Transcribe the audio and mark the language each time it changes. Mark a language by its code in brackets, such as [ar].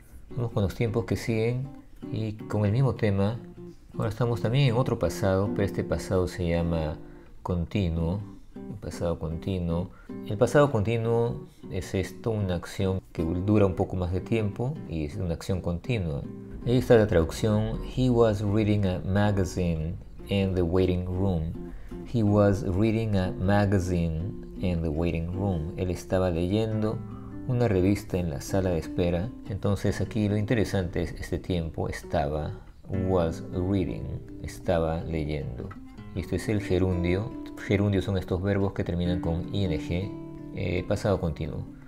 [es] Vamos con los tiempos que siguen y con el mismo tema. Ahora estamos también en otro pasado, pero este pasado se llama continuo. El pasado continuo. El pasado continuo es esto, una acción que dura un poco más de tiempo y es una acción continua. Ahí está la traducción. [en] He was reading a magazine in the waiting room. He was reading a magazine in the waiting room. [es] Él estaba leyendo una revista en la sala de espera. Entonces aquí lo interesante es este tiempo, estaba, [en] was reading, [es] estaba leyendo. Y esto es el gerundio. Gerundio son estos verbos que terminan con ing, pasado continuo.